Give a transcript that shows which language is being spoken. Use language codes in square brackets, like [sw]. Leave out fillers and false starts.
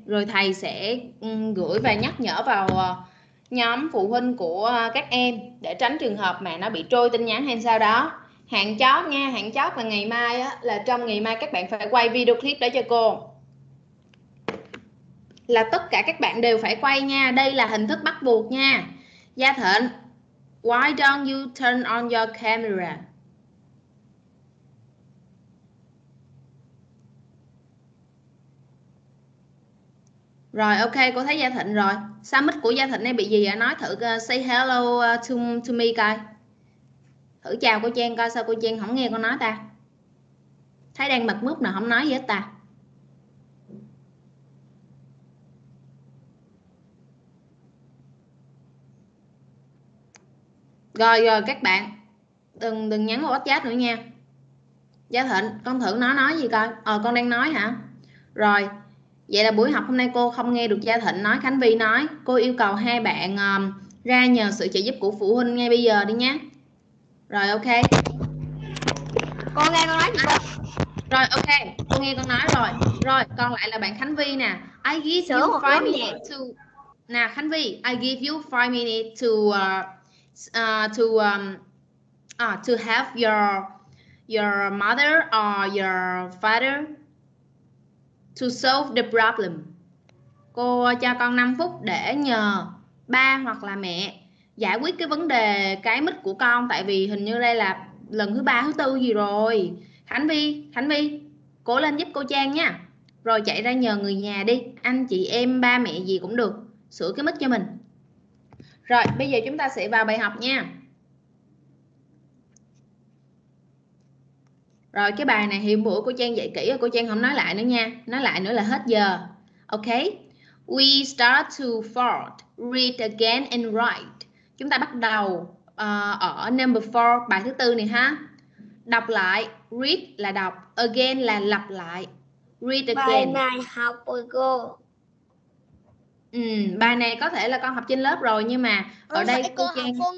[vi] Rồi thầy sẽ gửi và nhắc nhở vào nhóm phụ huynh của các em, để tránh trường hợp mà nó bị trôi tin nhắn hay sao đó. Hạn chót nha, hạn chót là ngày mai á, là trong ngày mai các bạn phải quay video clip đó cho cô. Là tất cả các bạn đều phải quay nha, đây là hình thức bắt buộc nha. [en] Gia Thịnh, why don't you turn on your camera? [vi] Rồi ok, cô thấy Gia Thịnh rồi. Sao mic của Gia Thịnh này bị gì vậy? Nói thử [en] say hello to me [vi] coi. Thử chào cô Trang coi sao cô Trang không nghe con nói ta. Thấy đang mật mút nào không nói gì hết ta. Rồi rồi các bạn, đừng nhắn vào WhatsApp nữa nha. Gia Thịnh, con thử nói gì coi. Ờ con đang nói hả? Rồi, vậy là buổi học hôm nay cô không nghe được Gia Thịnh nói, Khánh Vy nói. Cô yêu cầu hai bạn ra nhờ sự trợ giúp của phụ huynh ngay bây giờ đi nhé. Rồi ok. Con nghe con nói gì cơ? Rồi ok, cô nghe con nói rồi. Rồi, còn lại là bạn Khánh Vy nè. [en] I give you 5 minutes to. Nè Khánh Vy, I give you 5 minutes to have your mother or your father to solve the problem. [vi] Cô cho con 5 phút để nhờ ba hoặc là mẹ giải quyết cái vấn đề cái mic của con, tại vì hình như đây là lần thứ ba thứ tư gì rồi. Khánh Vy, cố lên giúp cô Trang nha. Rồi chạy ra nhờ người nhà đi, anh chị em, ba mẹ gì cũng được, sửa cái mic cho mình. Rồi bây giờ chúng ta sẽ vào bài học nha. Rồi cái bài này hiệu buổi cô Trang dạy kỹ, cô Trang không nói lại nữa nha, nói lại nữa là hết giờ. [en] Ok, we start to fold, read again and write. [vi] Chúng ta bắt đầu ở number 4, bài thứ 4 này ha. Đọc lại, read là đọc, again là lặp lại. [en] Read again. [vi] Bài này học rồi cô. Bài này có thể là con học trên lớp rồi, nhưng mà ở đây cô Trang